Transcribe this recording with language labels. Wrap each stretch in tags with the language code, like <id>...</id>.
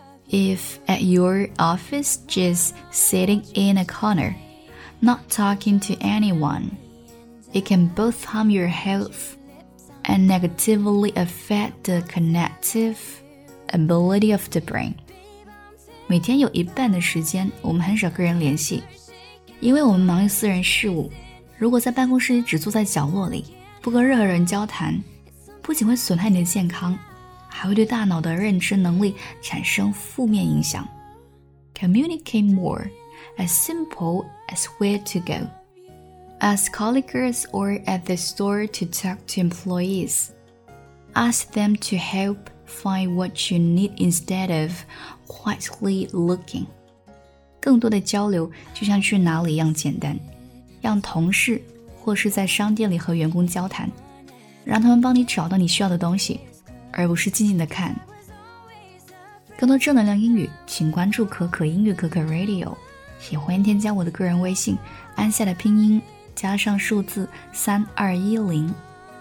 <en>If at your office just sitting in a corner, not talking to anyone, it can both harm your health and negatively affect the connective ability of the brain.</en> <zh>每天有一半的时间我们很少跟人联系，因为我们忙于私人事务。如果在办公室只坐在角落里，不跟任何人交谈，不仅会损害你的健康，还会对大脑的认知能力产生负面影响。</zh> <en>Communicate more, as simple as where to go. Ask colleagues or at the store to talk to employees. Ask them to help find what you need instead of quietly looking.</en> <zh>更多的交流就像去哪里一样简单。让同事或是在商店里和员工交谈，让他们帮你找到你需要的东西，而不是静静的看。更多正能量英语请关注可可英语可可 Radio， 也欢迎添加我的个人微信安夏的拼音加上数字3210。</zh>